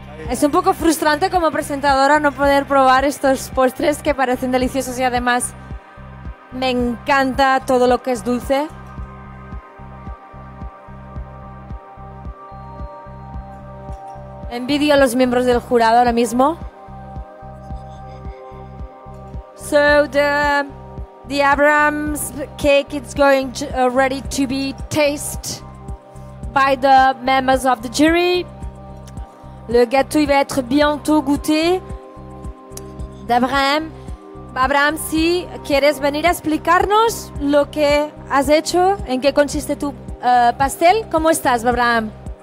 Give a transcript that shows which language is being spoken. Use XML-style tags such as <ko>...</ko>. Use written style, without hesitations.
<es>Es un poco frustrante como presentadora no poder probar estos postres que parecen deliciosos y además me encanta todo lo que es dulce. Envidio a los miembros del jurado ahora mismo.</es> <en>So the Abraham's cake is going to, ready to be tasted by the members of the jury.</en> <fr>Le gâteau il va être bientôt goûté d'Abraham.</fr> <es>Abraham, si quieres venir a explicarnos lo que has hecho, en qué consiste tu pastel, ¿cómo estás, Abraham?</es>